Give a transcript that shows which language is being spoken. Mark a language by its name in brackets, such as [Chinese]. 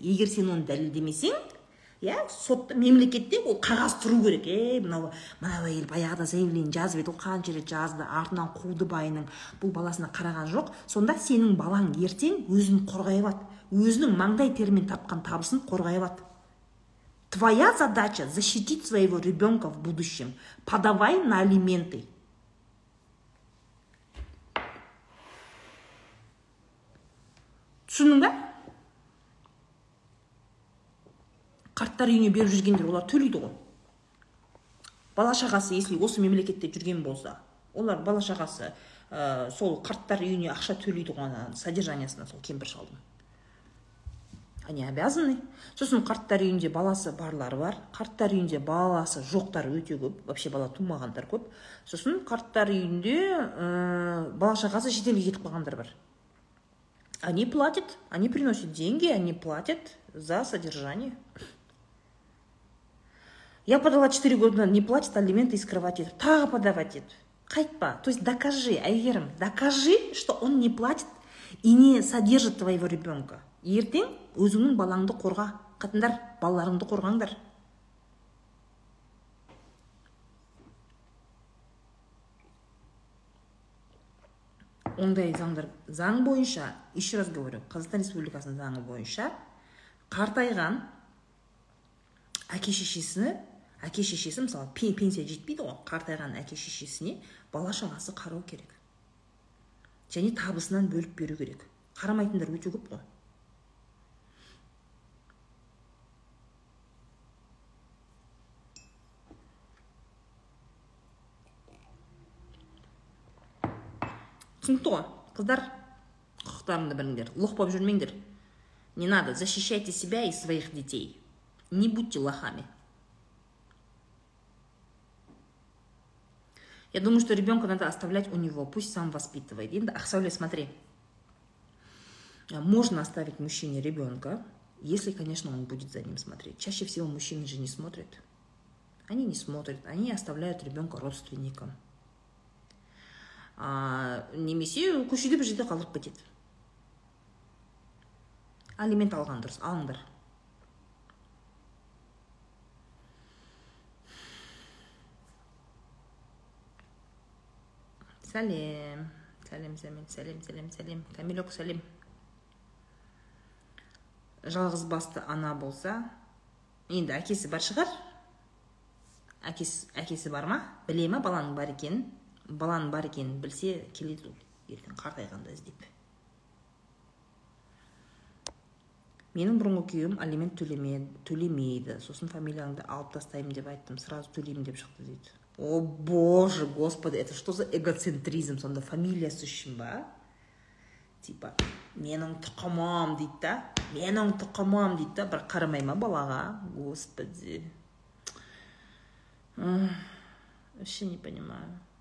[Kazakh] Егер сен оны дәлелдемесең, сот мемлекетте ол қағаз тұру керек. Мынау әйел баяғыда заявление жазып еді, ол қанша рет жазды, артынан қуды байының, бұл баласына қараған жоқ. Сонда сенің балаң ертең өзін қорғай алады, өзінің маңдай термен тапқан табысын қорғай алады. [Russian] Твоя задача защитить своего ребенка в будущем. Подавай на алименты. [Kazakh] Түсіндің бе? Қарттар үйіне беріп жүргендер, олар төлейді ғой. Бала шағасы, если осы мемлекетте жүрген болса, олар бала шағасы сол қарттар үйіне ақша төлейді ғой, содержаниясына сол кемпір шалдың. [Russian] Они обязаны. [Kazakh] Сосын қарттар үйінде баласы барлары бар, қарттар үйінде баласы жоқтар өте көп, вообще бала тумағандар көп. Сосын қарттар үйінде бала шағасы шетелге кетіп қалғандар бар. [Russian] Они платят, они приносят деньги, они платят за содержание. Я подала 4 года, не платят алименты из кровати. Так подавать это. Кайпа. То есть докажи, айгерым, докажи, что он не платит и не содержит твоего ребенка. [Kazakh] Ертең өзіңнің балаңды қорға. Қатындар, балаларыңды қорғаңдар. Ондай заңдар, заң бойынша, [Russian] еще раз говорю, [Kazakh] Қазақстан Республикасының заңы бойынша, қартайған әке-шешесі, мысалы, пенсия жетпейді ғой, қартайған әке-шешесіне бала-шағасы қарау керек. Және табысынан бөліп беру керек. Қарамайтындар өте көп қой. Түсінікті ғой, қыздар, құқықтарымды біліңдер, лоқпап жүрмеңдер. [Russian] Не надо, защищайте себя и своих детей. Не будьте лохами. Я думаю, что ребенка надо оставлять у него, пусть сам воспитывает. [Kazakh] Енді, [Russian] Ақсауле, смотри, можно оставить мужчине ребенка, если, конечно, он будет за ним смотреть. Чаще всего мужчины же не смотрят. Они не смотрят, они оставляют ребенка родственникам. [Kazakh] Немесе көшеде бір жерде қалып кетеді. Алимент алған дұрыс, алыңдар. Сәлем. Сәлем. Камилек, сәлем. Жалғыз басты ана болса, енді әкесі бар шығар? Әкесі бар ма? Білемі баланың бар екенін? Баланың бар екенін білсе, келеді ол ертең қартайғанда іздеп. Менің бұрынғы күйім алимент төлемейді. Сосын фамилияңды алып тастаймын деп айттым, сразу төлеймін деп шықты дейді. [Russian] О, боже, господи, это что за эгоцентризм? [Kazakh] Сонда фамилиясы үшін ба? Типа, менің тұқымым дейді, бір қарамай ма балаға? [Russian] Господи. Вообще не понимаю.